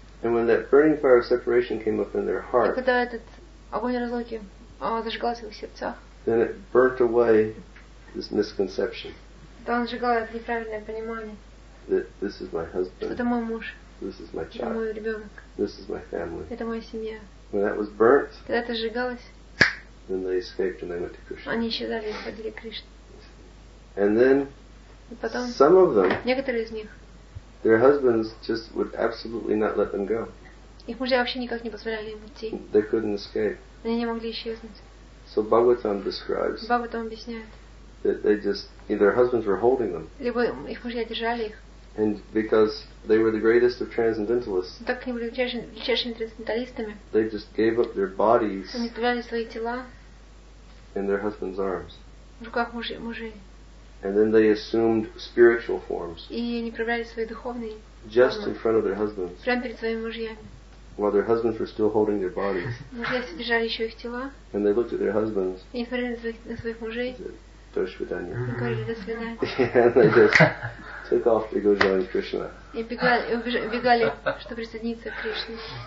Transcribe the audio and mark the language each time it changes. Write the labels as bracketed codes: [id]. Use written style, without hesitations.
[en] And when that burning fire of separation came up in their heart. [ru] И когда этот огонь разлуки зажигался в их сердцах. [en] Then it burnt away this misconception. [ru] Да, он сжигал это неправильное понимание. [en] That this is my husband. [ru] Это мой муж. [en] This is my child. [ru] Это мой ребенок. [en] This is my family. [ru] Это моя семья. [en] When that was burnt. [ru] Когда это сжигалось. [en] Then they escaped and they went to Krishna. [ru] Они исчезали и уходили к Кришне. [en] And then. [ru] И потом. [en] Some of them. [ru] Некоторые из них. [en] Their husbands just would absolutely not let them go. [ru] Их мужья вообще никак не позволяли им уйти. [en] They couldn't escape. [ru] Они не могли исчезнуть. [en] So Bhagavatam describes. [ru] Бхагаватам объясняет. [en] That they just, their husbands were holding them. [ru] Либо их мужья держали их. [en] And because they were the greatest of transcendentalists. [ru] Так они были величайшими трансценденталистами. [en] They just gave up their bodies. [ru] Они отдали свои тела. [en] In their husbands' arms. [ru] В руках мужей. [en] And then they assumed spiritual forms. [ru] И они проявляли свои духовные. [en] Just in front of their husbands. [ru] Прямо перед своими мужьями. [en] While their husbands were still holding their bodies. [ru] Мужья держали еще их тела. [en] And they looked at their husbands. [ru] И они смотрели на своих мужей. До свидания. И говорили до свидания. [en] And they just took off to go join Krishna. [ru] И убегали, чтобы присоединиться к Кришне.